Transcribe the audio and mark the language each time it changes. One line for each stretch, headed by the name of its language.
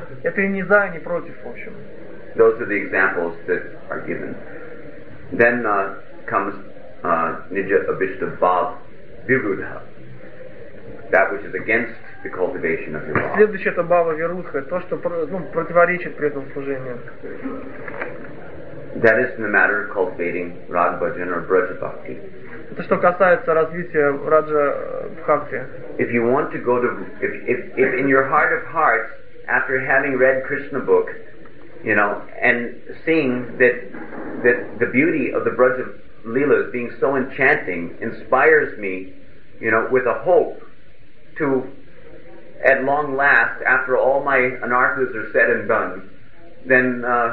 Russian: Это и не за, и не против, в общем.
English: Those are the examples that are given. Then comes nija abhishta bhav virudha. That which is against the cultivation of your bhava.
Russian: Следующее — это бхава вирудха, то, что противоречит при этом служению.
English: That is in the matter of cultivating rag bhajan or braja bhakti.
Russian: Это что касается развития раджа бхакти.
English: If you want to go to, if in your heart of hearts, after having read Krishna book, you know, and seeing that the beauty of the braja lila is being so enchanting, inspires me, you know, with a hope to, at long last, after all my anarthas are said and done, then